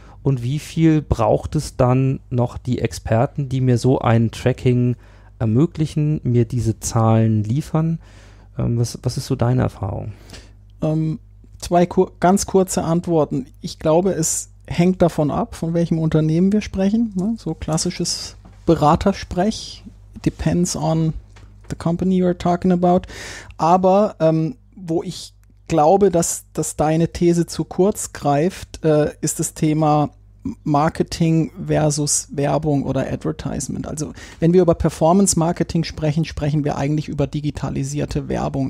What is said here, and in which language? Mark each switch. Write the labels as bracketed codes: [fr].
[de] Und wie viel braucht es dann noch die Experten, die mir so ein Tracking ermöglichen, mir diese Zahlen liefern? Was ist so deine Erfahrung? Ganz kurze Antworten. Ich glaube, es hängt davon ab, von welchem Unternehmen wir sprechen. Ne? So klassisches Beratersprech. [en] Depends on the company you're talking about. [de] Aber wo ich glaube, dass deine These zu kurz greift, ist das Thema Marketing versus Werbung oder Advertisement. Also wenn wir über Performance-Marketing sprechen, sprechen wir eigentlich über digitalisierte Werbung.